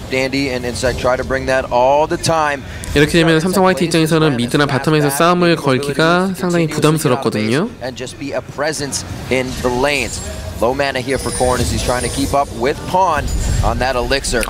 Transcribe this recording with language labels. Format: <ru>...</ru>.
<en>Dandy and Insight try to bring that all the time.</en> <ko>이렇게 되면 삼성 화이트 입장에서는 미드나 바텀에서 싸움을 걸기가 상당히 부담스럽거든요.</ko> <en>And just be a presence in the lanes. Low mana here for Corn as he's trying to keep up with Pawn on that elixir.</en>